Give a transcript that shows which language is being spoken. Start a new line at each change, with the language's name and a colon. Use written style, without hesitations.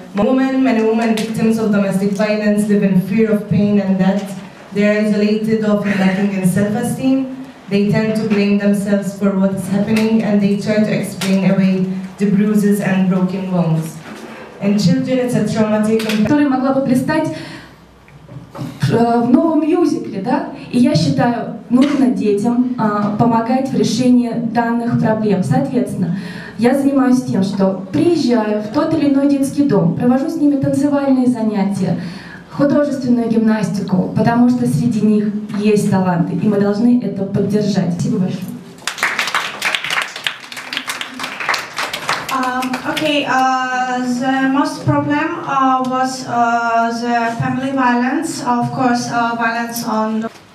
English: Many women victims of domestic violence live in fear of pain and death. They are isolated, often lacking in self-esteem. They tend to blame themselves for what's happening, and they try to explain away the bruises and broken bones. And children, it's a traumatic...
Russian: ...которая могла бы блистать в новом мюзикле, да? И я считаю, нужно детям помогать в решении данных проблем. Соответственно, я занимаюсь тем, что приезжаю в тот или иной детский дом, провожу с ними танцевальные занятия, художественную гимнастику, потому что среди них есть таланты, и мы должны это поддержать. Спасибо большое.
English: The most problem was the family violence, of course, violence on...